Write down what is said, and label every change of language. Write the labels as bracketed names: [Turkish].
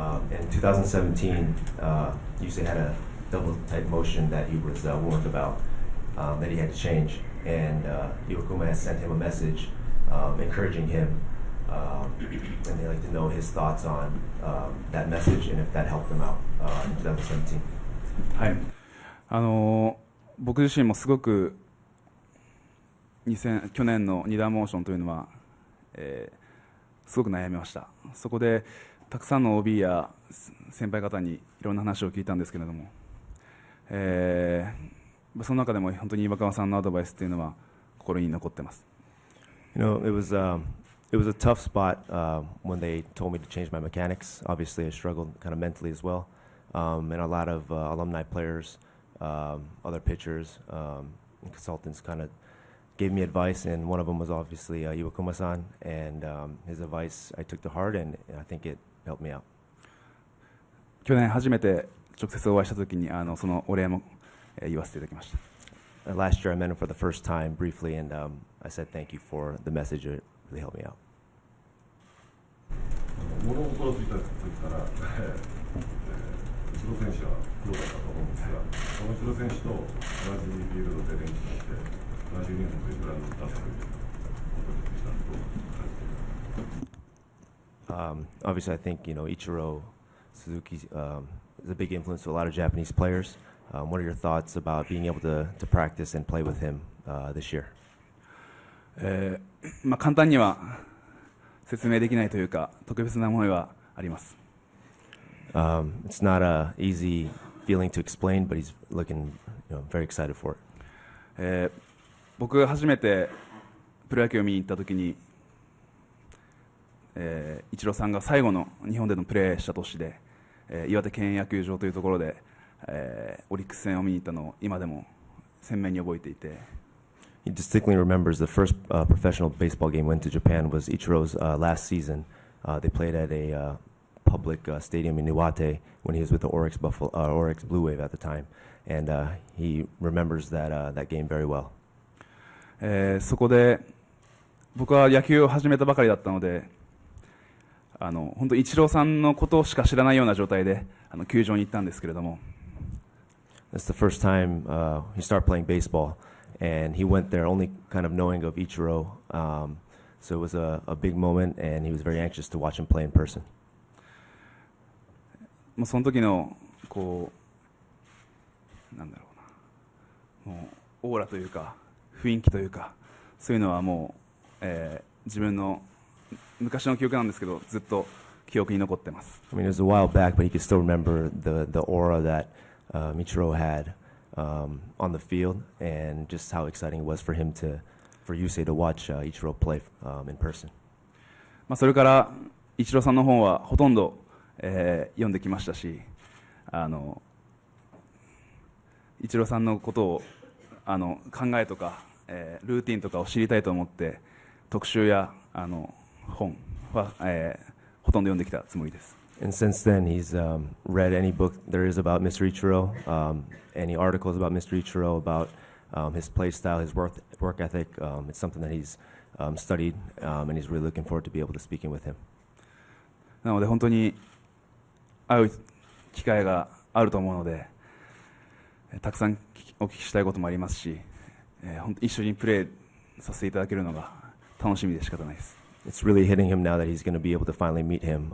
[English] In 2017, Yusei had a double type motion that he was warned about, that he had to change. And Iwakuma has sent him a message encouraging him, and they'd like to know his thoughts on that message and if that helped him out in 2017. [Japanese] はい。僕自身もすごく去年の二段モーションというのは、すごく悩みました。そこでたくさんの OB や先輩方にいろんな話を聞いたんですけれども、その中でも本当に岩隈さんのアドバイスというのは心に残ってます。 [English] You know, it was a tough spot when they told me to change my mechanics. Obviously, I struggled kind of mentally as well. And a lot of alumni players, other pitchers, and consultants kind of gave me advice, and one of them was obviously Iwakuma-san, and his advice I took to heart, and I think it helped me out. [Japanese] 去年初めて直接お会いした時に、そのお礼も言わせていただきました。 [English] Last year I met him for the first time briefly, and I said thank you for the message. It really helped me out. [Japanese] 物心ついた時から、黒選手は黒だったと思うんですが、その黒選手と同じフィールドで練習して。 [English] Obviously, I think, you know, Ichiro Suzuki is a big influence to a lot of Japanese players. What are your thoughts about being able to practice and play with him this year? [Japanese] まあ簡単には説明できないというか、特別な思いはあります。 [English] It's not an easy feeling to explain, but he's looking, you know, very excited for it. [Japanese] 僕が初めてプロ野球を見に行った時に、イチローさんが最後の日本でのプレーした年で、岩手県野球場というところで、オリックス戦を見に行ったのを今でも鮮明に覚えていて、 [English] He distinctly remembers the first professional baseball game went to Japan was Ichiro's last season. They played at a public stadium in Iwate when he was with the Oryx, Buffalo, Oryx Blue Wave at the time. And he remembers that, that game very well. [Japanese] そこで僕は野球を始めたばかりだったので、本当イチローさんのことしか知らないような状態で球場に行ったんですけれども。 [English] That's the first time he started playing baseball. And he went there only kind of knowing of Ichiro. So it was a big moment, and he was very anxious to watch him play in person. [Japanese] その時のこう、なんだろうな、もうオーラというか、雰囲気というか、そういうのはもう、自分の昔の記憶なんですけど、ずっと記憶に残ってます。 [English] I mean, it was a while back, but he could still remember the aura that Ichiro had. On the field and just how exciting it was for him to for Yusei to watch Ichiro play in person. [Japanese] まあそれからイチローさんの本はほとんど、読んできましたし、イチローさんのことを考えとか、ルーティンとかを知りたいと思って特集や本は、ほとんど読んできたつもりです。 [English] And since then, he's read any book there is about Mr. Ichiro, any articles about Mr. Ichiro, about his play style, his work ethic. It's something that he's studied, and he's really looking forward to be able to speak in with him. [Japanese] なので本当に会う機会があると思うので、たくさんお聞きしたいこともありますし、一緒にプレーさせていただけるのが楽しみで仕方ないです。 [English] It's really hitting him now that he's going to be able to finally meet him.